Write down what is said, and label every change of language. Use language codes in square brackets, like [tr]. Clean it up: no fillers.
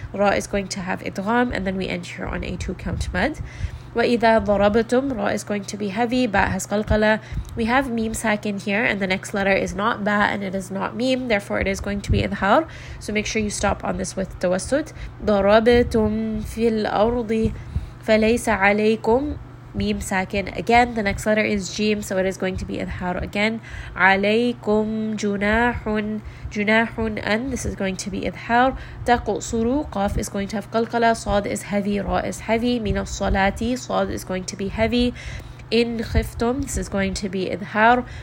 [en] Ra is going to have idgham, and then we end here on a 2-count mad. [ar] وَإِذَا ضَرَبَتُمْ, [en] ra is going to be heavy. Ba has qalqala. We have meem sakin here and the next letter is not ba and it is not meem, therefore it is going to be idhar. So make sure you stop on this with tawassut. [ar] ضَرَبَتُمْ فِي الْأَرْضِ فَلَيْسَ عَلَيْكُمْ, [en] meem sakin again. The next letter is jim, so it is going to be idhar again. [ar] عَلَيْكُمْ جُنَاحٌ, [en] junahun an, this is going to be idhar. Taqsuru, qaf is going to have qalqala. Sad is heavy, ra is heavy. Min as-salati, sad is going to be heavy. In khiftum, this is going to be idhar.